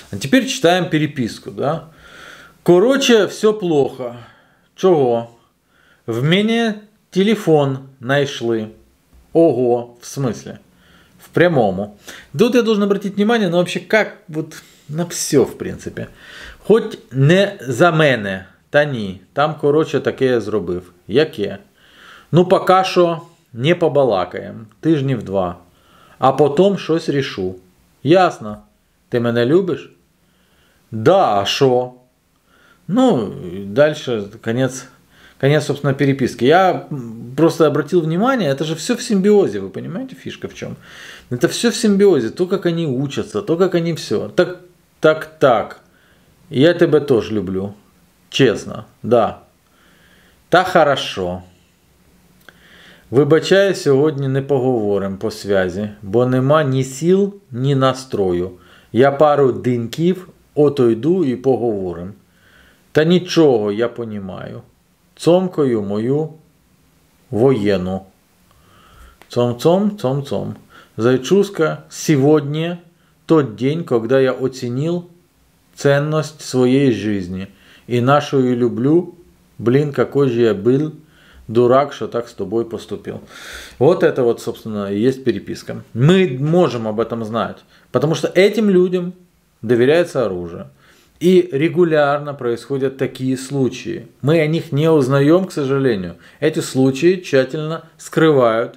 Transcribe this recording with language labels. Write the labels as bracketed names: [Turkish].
[Russian] А теперь читаем переписку, да. Короче, все плохо. Чего? В мене телефон нашли. Ого, в смысле? [Ukrainian] В прямому. [Russian] Тут я должен обратить внимание, ну, вообще, как вот на все, в принципе. [Ukrainian] Хоть не за мене, та ні, там, короче, таке я зробив. Яке? Ну, поки що не побалакаєм, тижнів два, а потім щось рішу. Ясно, ти мене любиш? Да, а що? [Russian] Ну, дальше, конец, собственно, переписки. Я просто обратил внимание, это же все в симбиозе, вы понимаете, фишка в чем? Это все в симбиозе, то, как они учатся, то, как они все. Так, так, так, я тебя тоже люблю, честно, да. Та хорошо. [Ukrainian] Вибачаю, сьогодні не поговорим по связи, бо нема ні сил, ні настрою. [Russian] Я пару деньків отойду і поговорим. [Ukrainian] Та нічого, я понімаю. Цомкою мою воєнну. Цом-цом, цом-цом. Зайчуска, сьогодні той день, коли я оцінив цінність своєї житті. І нашою люблю, блін, який же я був дурак, що так з тобою поступив. [Russian] Вот это вот, собственно, [Ukrainian] і є переписка. [Russian] Ми можемо об этом знати. Потому что этим людям доверяется оружие. И регулярно происходят такие случаи. Мы о них не узнаем, к сожалению. Эти случаи тщательно скрывают.